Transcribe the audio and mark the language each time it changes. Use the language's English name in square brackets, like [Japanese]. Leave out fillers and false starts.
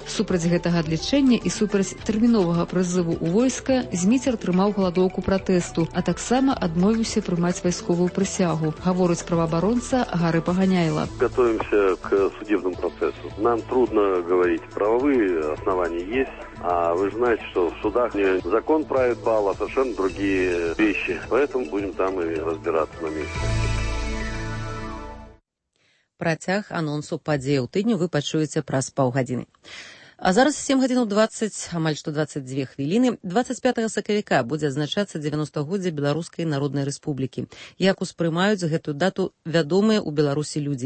[Belarusian] Супраць гэтага адлічэння і супраць тэрміновага прызыву ў войска Дмітр трымаў галадоўку пратэсту, а таксама адмовіўся прымаць вайсковую прысягу, гаворыць праваабаронца Гары Паганяйла. Гатовімся к судебным працэсу. Нам трудна гаварыць, прававы аснаванні ёсць. [Russian] А вы знаете, что в судах не закон правит бал, а совершенно другие вещи. Поэтому будем там и разбираться на месте. [Belarusian] Працяг анонсу падзей у тыдню вы пачуеце праз паўгадзіны. А зараз 7:20, амаль што 22 хвіліны. 25 сакавіка будзе адзначацца 90-годдзе Беларускай Народнай Рэспублікі. Як успрымаюць гэтую дату вядомыя ў Беларусі людзі?